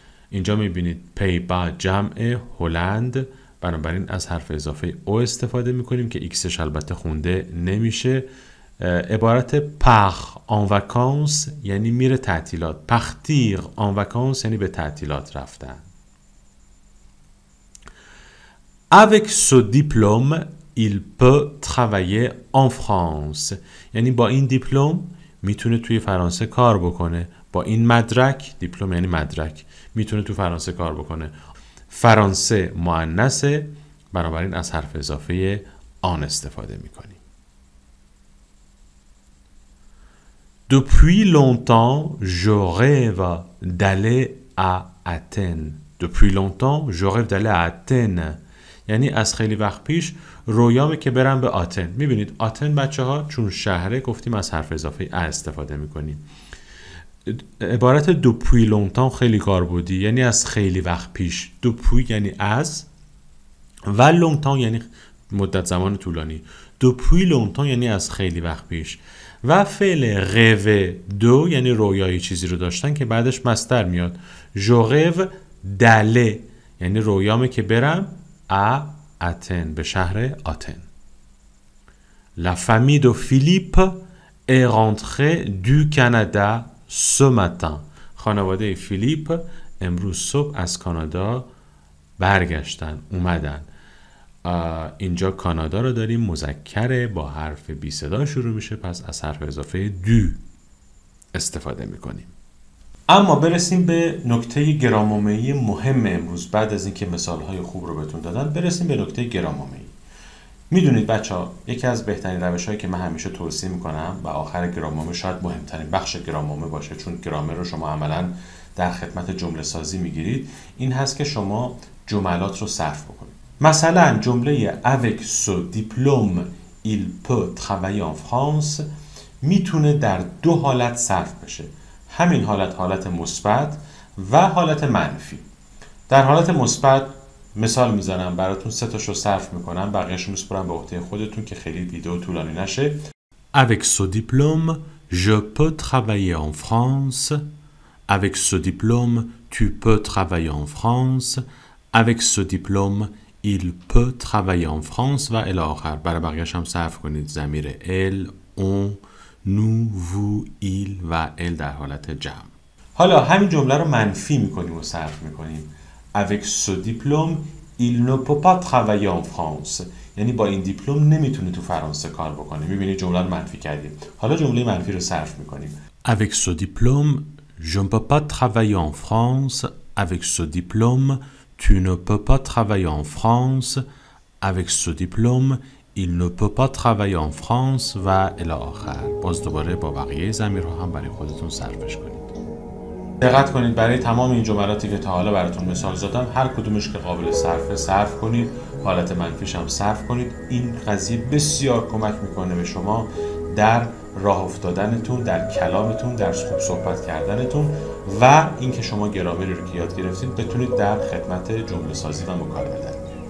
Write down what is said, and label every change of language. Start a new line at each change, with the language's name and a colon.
Persian: اینجا میبینید پیبا جمع هلند، بنابراین از حرف اضافه او استفاده میکنیم که ایکسش البته خونده نمیشه. عبارت پار ان وکانس یعنی میره تعطیلات. پختیر ان وکانس یعنی به تعطیلات رفتن.
French: Avec ce diplôme, il peut travailler en France.
Persian: یعنی با این دیپلم میتونه توی فرانسه کار بکنه. با این مدرک، دیپلم یعنی مدرک، میتونه تو فرانسه کار بکنه. فرانسه مؤنثه، بنابراین از حرف اضافه آن استفاده میکنی.
French: Depuis longtemps, je rêve d'aller à Athènes. Depuis longtemps, je rêve d'aller à Athènes.
Persian: یعنی از خیلی وقت پیش رویامه که برم به آتن. میبینید آتن بچه ها چون شهره گفتیم از حرف اضافه ا استفاده میکنیم. عبارت
French: depuis longtemps
Persian: خیلی کاربردی، یعنی از خیلی وقت پیش. depuis یعنی از و longtemps یعنی مدت زمان طولانی.
French: depuis longtemps
Persian: یعنی از خیلی وقت پیش. و فعل rêve دو یعنی رویایی چیزی رو داشتن که بعدش مستر میاد.
French: je rêve d'aller
Persian: یعنی رویامه که برم
French: à Athènes,
Persian: به شهر آتن.
French: La famille de Philippe est rentrée du Canada ce matin.
Persian: خانواده فیلیپ امروز صبح از کانادا برگشتن، اومدن. اینجا کانادا رو داریم، مذکره با حرف بی صدا شروع میشه، پس از حرف اضافه دو استفاده میکنیم. اما برسیم به نکته گرامومهی مهم امروز، بعد از اینکه مثالهای خوب رو بهتون دادن برسیم به نکته گرامومهی. میدونید بچه ها یکی از بهترین روش هایی که من همیشه توصیه میکنم و آخر گرامومه شاید مهمترین بخش گرامومه باشه، چون گرامر رو شما عملا در خدمت جمله سازی میگیرید، این هست که شما جملات رو صرف بکنید. مثلا جمله
French: avec ce diplôme il peut travailler en France
Persian: میتونه در دو حالت صرف بشه، همین حالت، حالت مثبت و حالت منفی. در حالت مثبت مثال میزنم براتون، سه تاشو صرف میکنم، بقیه‌شو میسپارم به عهده خودتون که خیلی ویدیو طولانی نشه.
French: Avec ce diplôme, je peux travailler en France. Avec ce diplôme, tu peux travailler en France. Avec ce diplôme, il peut travailler en France
Persian: و الی آخر. برای بقیه‌شم صرف کنید ضمیر ال، اون، نو، وو، ایل و ال در حالت جمع. حالا همین جمله رو منفی میکنیم و صرف میکنیم.
French: avec ce diplôme il ne peut pas travailler en France،
Persian: یعنی با این دیپلم نمیتونه تو فرانسه کار بکنه. میبینید جمله رو منفی کردیم، حالا جمله منفی رو صرف میکنیم.
French: avec ce diplôme je ne peux pas travailler en France. avec ce diplôme tu ne peux pas travailler en France. avec ce diplôme il ne peut pas travailler en France
Persian: و الی آخر. باز دوباره با بقیه ضمیرها هم برای خودتون صرفش کنید. دقت کنید برای تمام این جملاتی که تا حالا براتون مثال زدم، هر کدومش که قابل صرفه صرف کنید، حالت منفیش هم صرف کنید. این قضیه بسیار کمک میکنه به شما در راه افتادنتون، در کلامتون، در خوب صحبت کردنتون و اینکه شما گرامری رو که یاد گرفتید بتونید در خدمت جمله سازی و مکالمه در.